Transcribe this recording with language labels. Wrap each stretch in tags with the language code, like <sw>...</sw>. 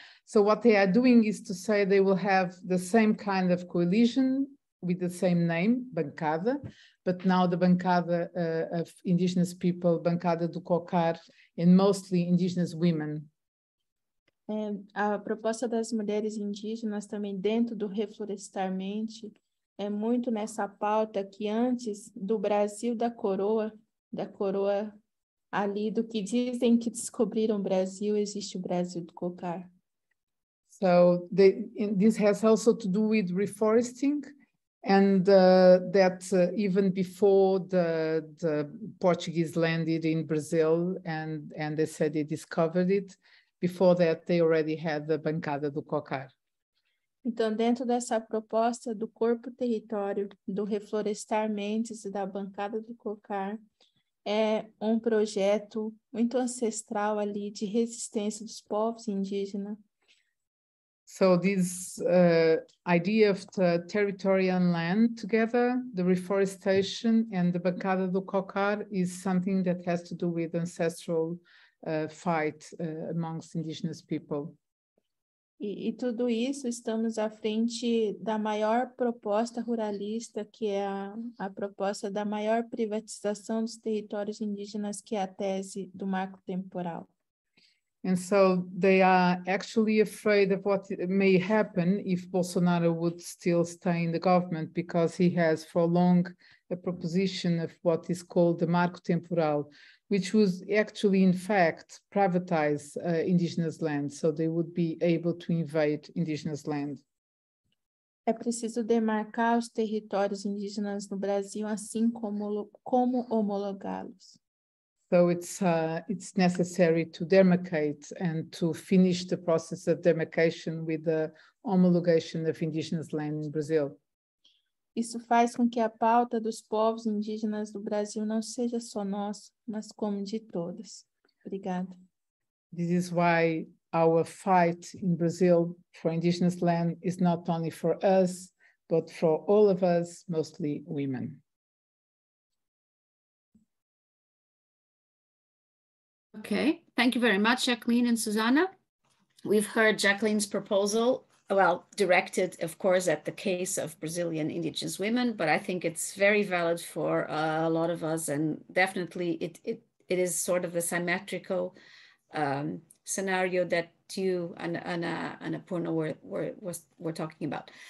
<en>So what they are doing is to say they will have the same kind of coalition with the same name, bancada, but now the bancada of indigenous people, bancada do Cocar, and mostly indigenous women.</en> <pt>É, a proposta das mulheres indígenas também dentro do Reflorestar Mente é muito nessa pauta que antes do Brasil da coroa ali do que dizem que descobriram o Brasil, existe o Brasil do Cocar.</pt> <en>So they, this has also to do with reforesting, and that even before the Portuguese landed in Brazil and they said they discovered it, before that they already had the bancada do Cocar.</en> <pt>Então, dentro dessa proposta do corpo território, do reflorestar mentes e da bancada do Cocar, é um projeto muito ancestral ali de resistência dos povos indígenas.</pt> <en>So this idea of the territory and land together, the reforestation and the bancada do Cocar is something that has to do with ancestral fight amongst indigenous people.</en> <pt>E tudo isso estamos à frente da maior proposta ruralista, que é a proposta da maior privatização dos territórios indígenas, que é a tese do marco temporal.</pt> <en>And so they are actually afraid of what may happen if Bolsonaro would still stay in the government, because he has for long a proposition of what is called the marco temporal, which was actually in fact privatize indigenous land, so they would be able to invade indigenous land.</en> <pt>É preciso demarcar os territórios indígenas no Brasil assim como homologá-los.</pt> <en>So it's necessary to demarcate and to finish the process of demarcation with the homologation of indigenous land in Brazil.</en> <pt>Isso faz com que a pauta dos povos indígenas do Brasil não seja só nossa, mas como de todas. Obrigada.</pt> <en>This is why our fight in Brazil for indigenous land is not only for us, but for all of us, mostly women. Okay, thank you very much, Jacqueline and Susana. We've heard Jacqueline's proposal, well, directed, of course, at the case of Brazilian indigenous women, but I think it's very valid for a lot of us, and definitely it is sort of a symmetrical scenario that you and Annapurna were talking about.</en>